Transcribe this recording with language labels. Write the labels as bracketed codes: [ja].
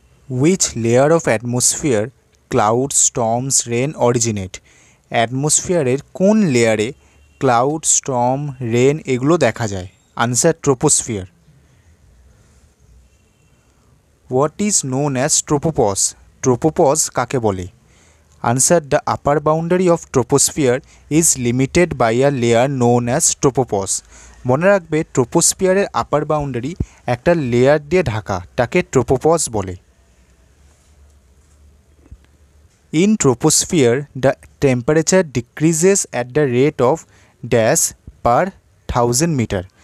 [en] Which layer of atmosphere cloud storms rain originate. [bn] অ্যাটমোসফিয়ারের কোন লেয়ারে cloud Sturm rain এগুলো দেখা যায়? [en] Answer troposphere. What is known as tropopause. [bn] Tropopause কাকে বলে? [en] answer, the upper boundary of troposphere is limited by a layer known as tropopause. [bn] মনে রাখবে ট্রোপোস্ফিয়ারের আপার boundary একটা লেয়ার দিয়ে ঢাকা, তাকে ট্রোপোপজ বলে। [en] In troposphere the temperature decreases at the rate of dash per thousand metre.